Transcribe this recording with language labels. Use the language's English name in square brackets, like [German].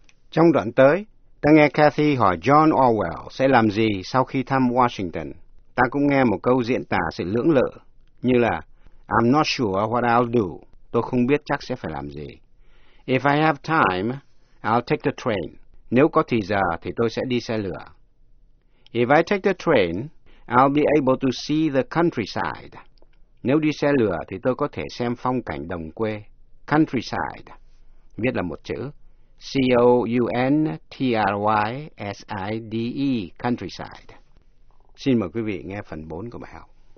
[Vietnamese] Trong đoạn tới, ta nghe Kathy hỏi John Orwell sẽ làm gì sau khi thăm Washington. Ta cũng nghe một câu diễn tả sự lưỡng lự như là [English] I'm not sure what I'll do. [Vietnamese] Tôi không biết chắc sẽ phải làm gì. [English] If I have time, I'll take the train. [Vietnamese] Nếu có thì giờ thì tôi sẽ đi xe lửa. [English] If I take the train, I'll be able to see the countryside. [Vietnamese] Nếu đi xe lửa thì tôi có thể xem phong cảnh đồng quê. Countryside. Viết là một chữ. Countryside. Countryside. Xin mời quý vị nghe phần 4 của bài học.